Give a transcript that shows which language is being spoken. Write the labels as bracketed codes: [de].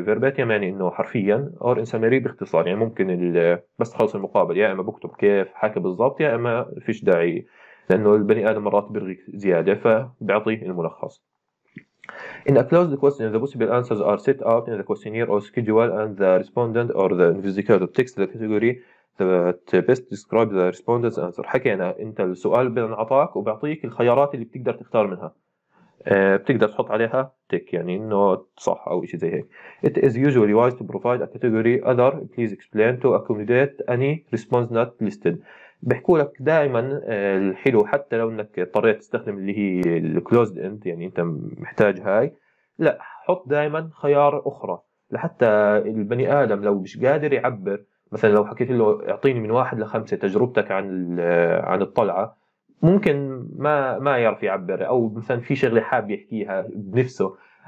[ar] Verbatim يعني إنه حرفيا، [en] or in summary [ar] باختصار، يعني ممكن بس تخلص المقابل يا إما بكتب كيف حكي بالضبط يا إما فيش داعي، لأنه البني آدم مرات بيرغي زيادة فبيعطي الملخص. [en] In a closed question, the possible answers are set out in the questionnaire or schedule, and the respondent or the investigator takes the category that best describes the respondent's answer. [ar] حكينا أنت السؤال بنعطاك وبعطيك الخيارات اللي بتقدر تختار منها، بتقدر تحط عليها تيك يعني إنه صح أو إشي زي هيك. [en] It is usually wise to provide a category other. Please explain to accommodate any response not listed. [ar] بحكوا لك دائما الحلو حتى لو انك اضطريت تستخدم اللي هي الكلوزد اند، يعني انت محتاج هاي، لا، حط دائما خيار اخرى لحتى البني ادم لو مش قادر يعبر. مثلا لو حكيت له اعطيني من 1 لـ5 تجربتك عن الطلعه، ممكن ما يعرف يعبر، او مثلا في شغله حاب يحكيها بنفسه.